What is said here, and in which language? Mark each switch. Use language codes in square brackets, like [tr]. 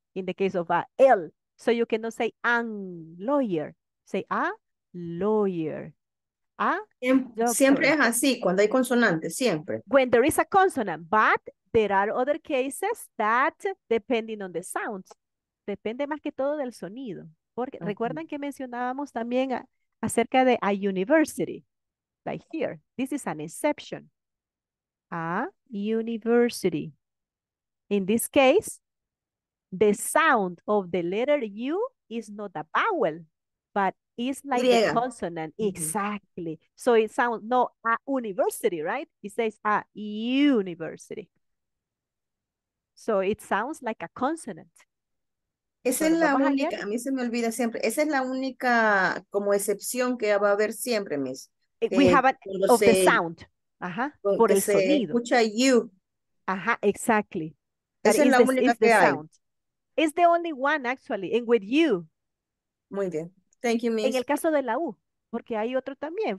[en] In the case of a L. So you cannot say an lawyer. Say a lawyer. A [es] siempre es así, cuando hay consonantes, siempre. [en] When there is a consonant, but there are other cases that depending on the sounds. [es] Depende más que todo del sonido. Porque okay. Recuerdan que mencionábamos también acerca de a university. [en] Like here, this is an exception. A university. In this case, the sound of the letter U is not a vowel, but it's like the consonant. Mm-hmm. Exactly. So it sounds not a university, right? It says a university. So it sounds like a consonant. [es] Esa es la única, a mí se me olvida siempre, esa es la única como excepción que va a haber siempre, Miss. [en] We have an of the sound. [es] Ajá, por el sonido. Se escucha you. [en] Ajá, exactly. [es] Esa es la única que hay. [en] It's the only one, actually, and with you. [es] Muy bien. [en] Thank you, Miss. [es] En el caso de la U, porque hay otro también.